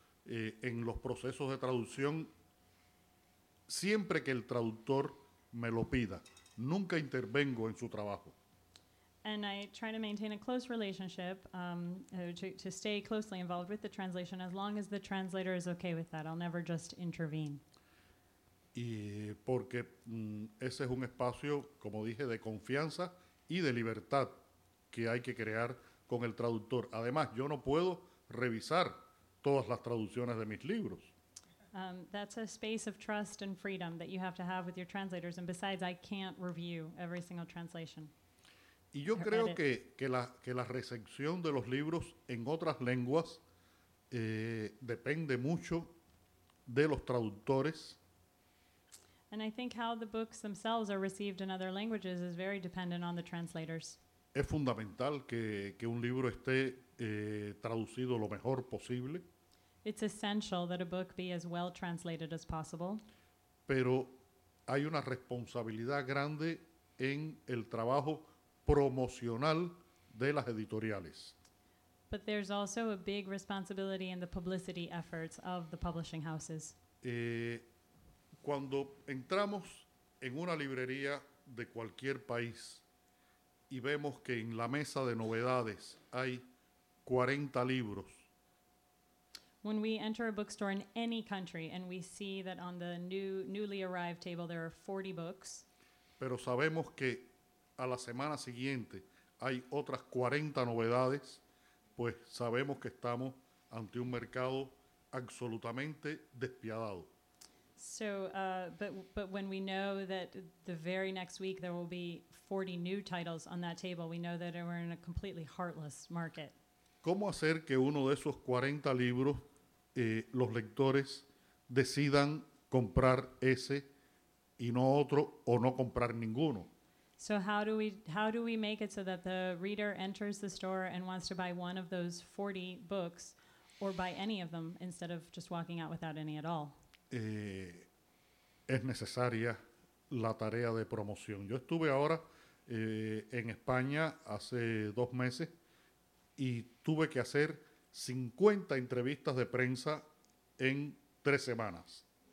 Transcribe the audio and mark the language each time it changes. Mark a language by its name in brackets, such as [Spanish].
[Spanish] En los procesos de traducción, siempre que el traductor me lo pida, nunca intervengo en su trabajo. [English] And I try to maintain a close relationship, to stay closely involved with the translation as long as the translator is okay with that. I'll never just intervene. [Spanish] Y porque ese es un espacio, como dije, de confianza y de libertad que hay que crear con el traductor. Además, yo no puedo revisar todas las traducciones de mis libros. [English] That's a space of trust and freedom that you have to have with your translators. And besides, I can't review every single translation. [Spanish] Y yo creo que la recepción de los libros en otras lenguas depende mucho de los traductores. [English] And I think how the books themselves are received in other languages is very dependent on the translators. [Spanish] Es fundamental que un libro esté traducido lo mejor posible. [English] It's essential that a book be as well translated as possible. [Spanish] Pero hay una responsabilidad grande en el trabajo promocional de las editoriales. [English] But there's also a big responsibility in the publicity efforts of the publishing houses. [Spanish] Cuando entramos en una librería de cualquier país y vemos que en la mesa de novedades hay 40 libros. [English] When we enter a bookstore in any country and we see that on the newly arrived table there are 40 books. [Spanish] Pero sabemos que a la semana siguiente hay otras 40 novedades, pues sabemos que estamos ante un mercado absolutamente despiadado. [English] So, but when we know that the very next week there will be 40 new titles on that table, we know that we're in a completely heartless market. [Spanish] ¿Cómo hacer que uno de esos 40 libros los lectores decidan comprar ese y no otro o no comprar ninguno? [English] So how do we make it so that the reader enters the store and wants to buy one of those 40 books or buy any of them instead of just walking out without any at all? [Spanish] Es necesaria la tarea de promoción. Yo estuve ahora en España hace 2 meses y tuve que hacer 50 entrevistas de prensa en 3 semanas.